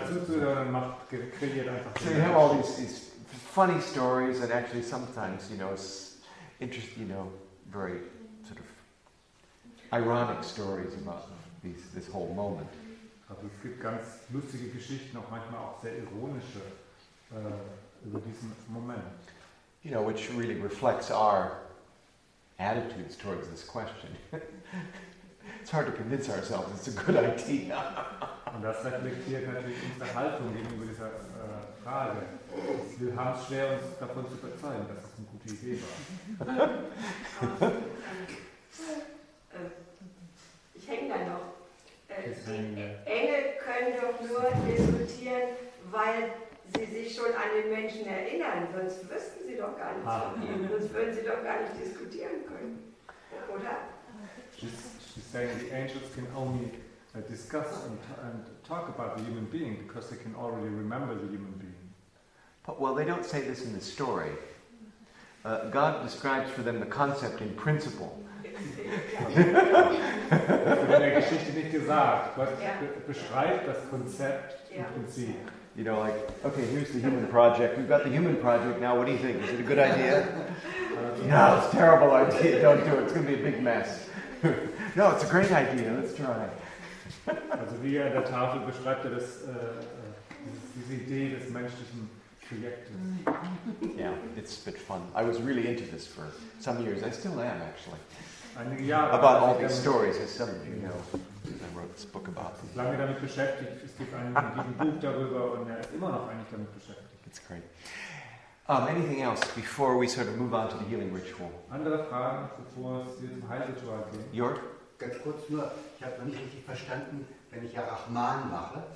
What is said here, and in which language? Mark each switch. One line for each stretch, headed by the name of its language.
English: So you have all these funny stories and actually sometimes, you know, very sort of ironic stories about this whole moment.
German: Also es gibt ganz lustige Geschichten, auch manchmal auch sehr ironische über diesen Moment.
English: You know, which really reflects our attitudes towards this question. It's hard to convince ourselves it's a good idea.
German: Und das reflektiert natürlich unsere Haltung gegenüber dieser Frage. Wir haben es schwer, uns davon zu überzeugen, dass es eine gute Idee war. Ich hänge da noch. Die Engel können doch nur diskutieren, weil sie sich schon an den Menschen erinnern. Sonst wüssten sie doch gar nichts von ihnen. Sonst würden sie doch gar nicht diskutieren können. Oder?
English: She's saying the angels can only discuss and talk about the human being because they can already remember the human being. But, well, they don't say this in the story. God describes for them the concept in principle. You know, like, okay, here's the human project. We've got the human project now. What do you think? Is it a good idea? No, it's a terrible idea. Don't do it. It's going to be a big mess. No, it's a great idea. Let's try.
German: Also wie er in der Tafel beschreibt er das, diese Idee des menschlichen Projektes.
English: Yeah, it's a bit fun. I was really into this for some years. I still am, actually.
German: Einige Jahre.
English: About all these stories, as some of you know, I wrote this book about them.
German: Lange damit beschäftigt. Es gibt ein Buch darüber und er ist immer noch eigentlich damit beschäftigt.
English: It's great. Anything else before we sort of move on to the healing ritual?
German: Andere Fragen, bevor es hier zum Heilritual geht? Jörg? Ganz kurz nur, ich habe noch nicht richtig verstanden, wenn ich ja Rahman mache,